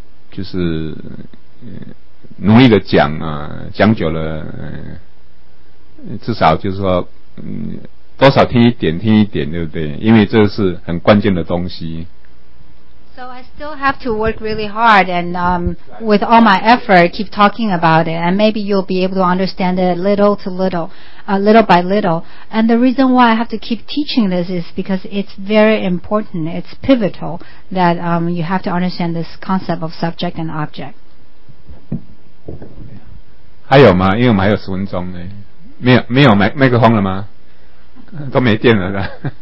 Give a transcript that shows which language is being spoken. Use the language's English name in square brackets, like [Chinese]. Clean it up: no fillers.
[Chinese] 就是努力的讲啊，讲久了，至少就是说，多少听一点，听一点，对不对？因为这是很关键的东西。 [English] So I still have to work really hard and with all my effort keep talking about it and maybe you'll be able to understand it little to little, little by little. And the reason why I have to keep teaching this is because it's very important, it's pivotal that you have to understand this concept of subject and object. [Chinese] 还有吗？因为我们还有十分钟呢。没有麦克风了吗？都没电了的。